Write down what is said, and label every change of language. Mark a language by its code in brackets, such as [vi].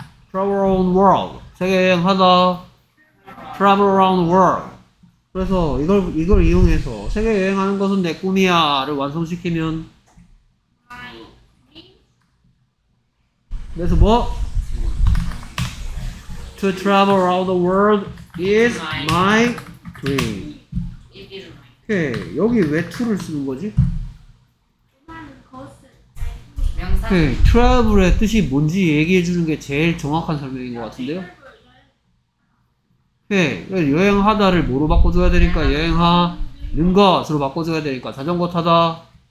[en] 트래블 어라운드 월드. [ko] 세계 여행하다. [en] 트래블 어라운드 월드. [ko] 그래서 이걸 이용해서 세계 여행하는 것은 내 꿈이야를 완성시키면 그래서 뭐? [en] To travel around the world is my dream. [ko] 오케이. 여기 왜 to를 쓰는 거지? 오케이. travel의 뜻이 뭔지 얘기해 주는 게 제일 정확한 설명인 것 같은데요? 오케이. 여행하다를 뭐로 바꿔줘야 되니까? 여행하는 것으로 바꿔줘야 되니까 자전거 타다.